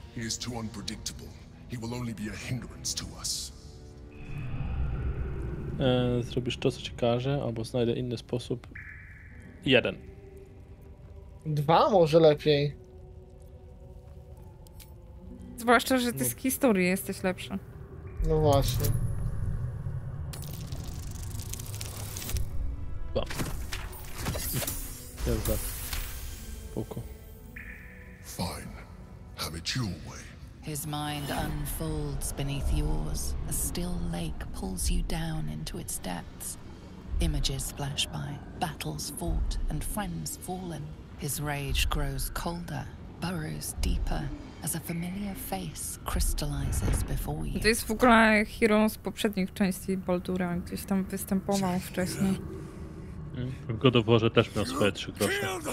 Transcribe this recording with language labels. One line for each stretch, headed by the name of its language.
English: He is too unpredictable. He will only be a hindrance to us.
Polish: Zrobisz to, co ci każe, albo znajdę inny sposób. Jeden. Dwa może lepiej. Zwłaszcza, że ty z historii jesteś lepszy. No właśnie. Dwa. Jest tak. Spoko.
English: Fine. Have it your way. His mind unfolds beneath yours. A still lake pulls you down into its depths. Images flash by, battles fought and friends fallen. His rage grows colder, burrows deeper, as a familiar face crystallizes before you.
Polish: To jest w ogóle hero z poprzednich części Baldura, gdzieś tam występował wcześniej. W God of War też miał swoje 3 grosze.